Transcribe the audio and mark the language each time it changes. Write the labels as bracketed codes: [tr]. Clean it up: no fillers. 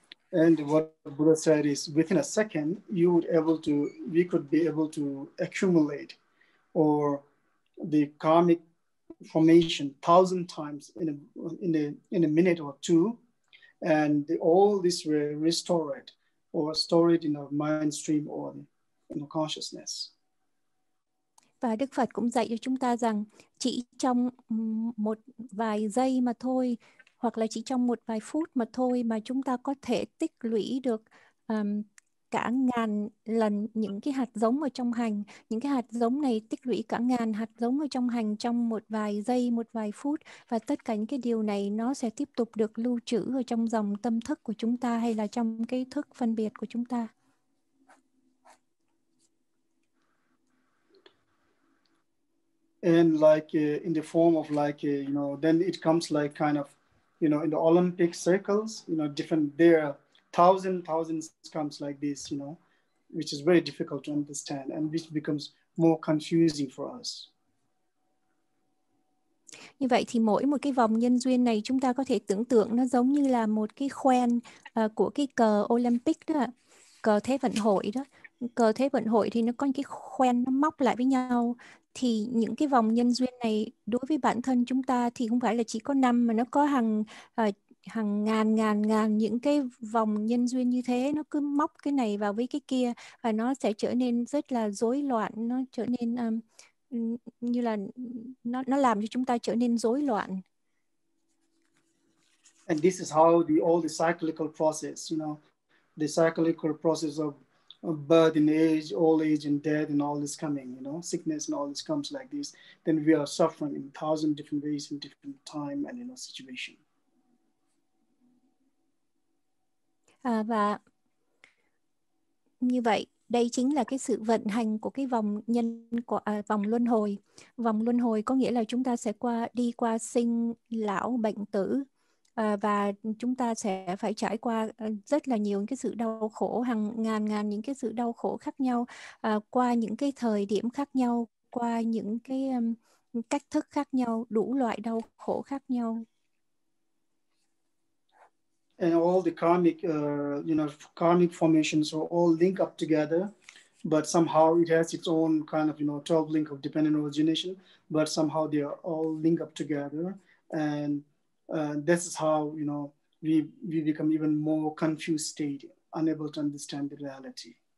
[en] And what Buddha said is within a second, we could be able to accumulate or the karmic formation 1,000 times in a minute or two, and all this were restored or stored in our mind stream or in our consciousness. [vi] Và Đức Phật cũng dạy cho chúng ta rằng chỉ trong một vài giây mà thôi, hoặc là chỉ trong một vài phút mà thôi, mà chúng ta có thể tích lũy được cả ngàn lần những cái hạt giống ở trong hành. Những cái hạt giống này tích lũy cả ngàn hạt giống ở trong hành trong một vài giây, một vài phút. Và tất cả những cái điều này nó sẽ tiếp tục được lưu trữ ở trong dòng tâm thức của chúng ta hay là trong cái thức phân biệt của chúng ta. [en] And like in the form of like, you know, then it comes like kind of, you know, in the Olympic circles, you know, different there, thousands comes like this, you know, which is very difficult to understand and which becomes more confusing for us. [vi] Như vậy thì mỗi một cái vòng nhân duyên này chúng ta có thể tưởng tượng nó giống như là một cái khoen của cái cờ Olympic đó, cờ Thế vận hội đó. Cờ Thế vận hội thì nó có những cái khoen nó móc lại với nhau. Thì những cái vòng nhân duyên này đối với bản thân chúng ta thì không phải là chỉ có năm, mà nó có hàng hàng ngàn ngàn ngàn những cái vòng nhân duyên như thế. Nó cứ móc cái này vào với cái kia và nó sẽ trở nên rất là rối loạn. Nó trở nên như là nó làm cho chúng ta trở nên rối loạn. [en] And this is how the all the cyclical process, you know, the cyclical process of birth and age, old age and death and all this coming, you know, sickness and all this comes like this, then we are suffering in 1,000 different ways in different time and in a situation. [vi] Và như vậy, đây chính là cái sự vận hành của cái vòng nhân của vòng luân hồi. Vòng luân hồi có nghĩa là chúng ta sẽ qua đi qua sinh, lão, bệnh, tử. Và chúng ta sẽ phải trải qua rất là nhiều cái sự đau khổ, hàng ngàn ngàn những cái sự đau khổ khác nhau, qua những cái thời điểm khác nhau, qua những cái cách thức khác nhau, đủ loại đau khổ khác nhau. [en] And all the karmic, you know, karmic formations are all link up together, but somehow it has its own kind of, you know, 12 link of dependent origination, but somehow they are all link up together. And this is how, you know, we become even more confused state, unable to understand the reality.